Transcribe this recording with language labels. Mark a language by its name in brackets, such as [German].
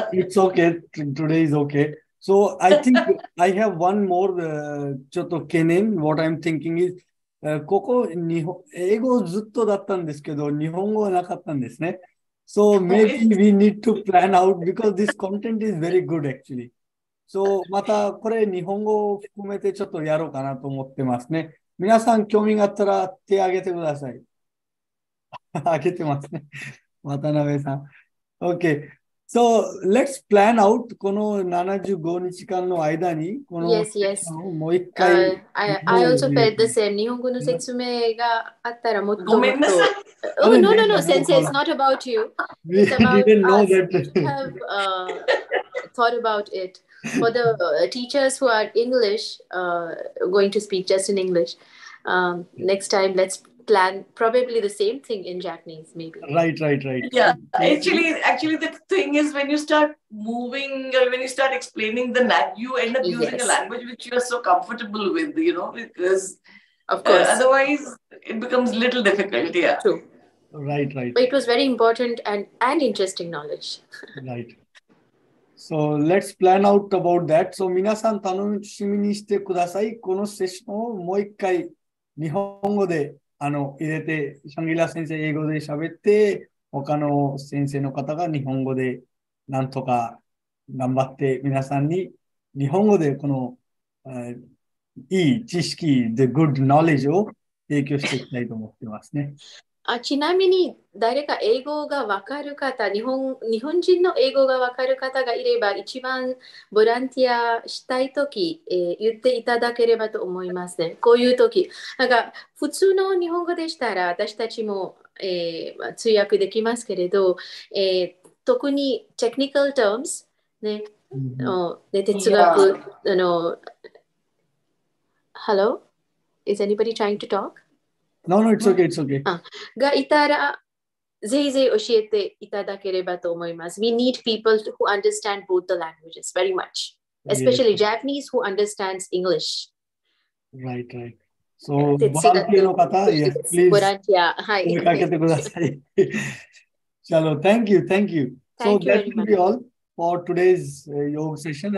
[English] It's okay. Today is okay. So, I think I have one more choto kenin. [Japanese] What I'm thinking is, ここ日本英語ずっとだったんですけど、日本語はなかったんですね。 [English] So, maybe we need to plan out because this content is very good actually. [Japanese] So, またこれ日本語を含めてちょっとやろうかなと思ってますね。皆さん興味があったら手挙げてください。挙げてますね。渡辺さん。OK。 So, let's plan out この75日間の間に、この [English] yes, yes. [Japanese] もう一回。 [English] I also felt the same. [Japanese] 日本語の説明があったらもっともっと。ごめんなさい。 [English] Oh, no, 先生、it's not about you. We didn't know that. We have thought about it. For the teachers who are English, going to speak just in English, next time let's plan probably the same thing in Japanese, maybe. Right. Yeah, actually the thing is when you start moving, or when you start explaining the language, you end up using a language which you are so comfortable with, you know, because of course. Otherwise it becomes a little difficult, yeah. True. Right. But it was very important and interesting knowledge. Right. So let's plan out about that. [Japanese] So, 皆さん楽しみにしてください。このセッションをもう一回日本語で入れて、シャングリラ先生英語で喋って、他の先生の方が日本語でなんとか頑張って皆さんに日本語でこの、いい知識、 the good knowledge を提供していきたいと思ってますね。あちなみに誰か英語が分かる方、日本人の英語が分かる方がいれば一番ボランティアしたいとき、言っていただければと思いますね。こういうとき。なんか普通の日本語でしたら私たちも、通訳できますけれど、特にテクニカルトームス、ね、ね、哲学、 Hello? [English] Is anybody trying to talk? No, it's okay. [Japanese] がいたら、ぜひぜひ教えていただければと思います。 [English] We need people who understand both the languages very much, especially Japanese who understands English. Right. So, volunteer の方、yes, please. [Japanese] ボランティア、はい。声かけてください。 Thank you. [English] Thank you. So, that will be all for today's yoga session.